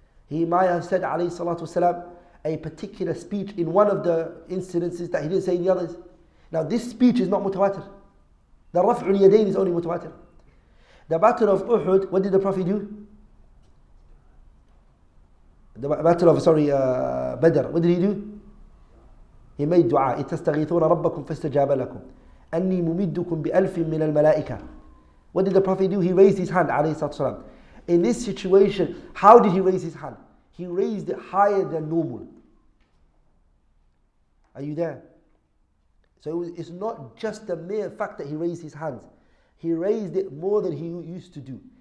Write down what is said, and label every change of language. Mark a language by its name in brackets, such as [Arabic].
[English] He might have said [Arabic] عليه الصلاة والسلام [English] a particular speech in one of the incidences that he didn't say in the others. Now this speech is not متواتر. The رفع اليدين is only متواتر. The battle of Uhud, what did the Prophet do? The battle of Badr, what did he do? He made dua. [Arabic] إتستغيثون ربكم فاستجاب لكم أني مُمِدُّكُمْ بِأَلْفٍ مِّنَ الْمَلَائِكَةِ. [English] What did the Prophet do? He raised his hand, [Arabic] عليه الصلاة والسلام. [English] In this situation, how did he raise his hand? He raised it higher than normal. Are you there? So it's not just the mere fact that he raised his hands. He raised it more than he used to do.